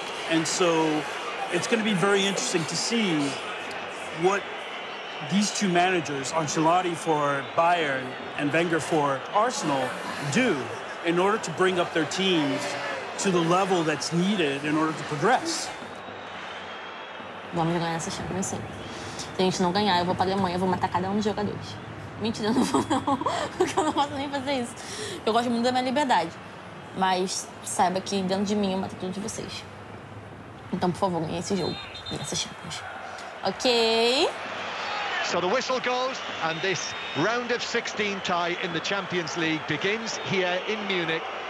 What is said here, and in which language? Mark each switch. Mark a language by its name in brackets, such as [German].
[English] And so it's going to be very interesting to see what these two managers, Ancelotti for Bayern and Wenger for Arsenal, do in order to bring up their teams to the level that's needed in order to progress. [Portuguese] Vamos ganhar essa Champions, sim. Se a gente não ganhar, eu vou para a Alemanha, vou matar cada um dos jogadores. Mentira, eu não vou, não, porque eu não posso nem fazer isso. Eu gosto muito da minha liberdade. Mas saiba que dentro de mim eu mato tudo de vocês. Então, por favor, ganhe esse jogo. E essa Champions. Ok? [English] So the whistle goes, and this round of 16 tie in the Champions League begins here in Munich.